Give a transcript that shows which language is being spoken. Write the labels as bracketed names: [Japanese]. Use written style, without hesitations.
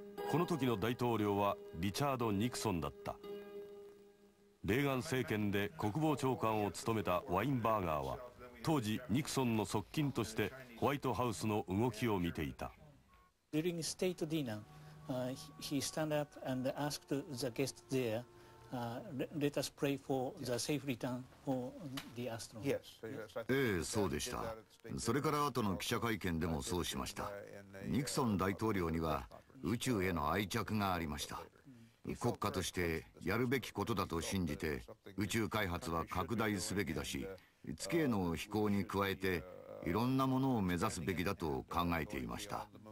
[Japanese] この時の大統領はリチャード・ニクソンだった。レーガン政権で国防長官を務めたワインバーガーは当時ニクソンの側近としてホワイトハウスの動きを見ていた。 [English] During state dinner, he stand up and asked the guest there,let us pray for the safe return for the astronaut. Yes. [Japanese] ええ、そうでした。それから後の記者会見でもそうしました。ニクソン大統領には宇宙への愛着がありました。国家としてやるべきことだと信じて宇宙開発は拡大すべきだし、月への飛行に加えていろんなものを目指すべきだと考えていました。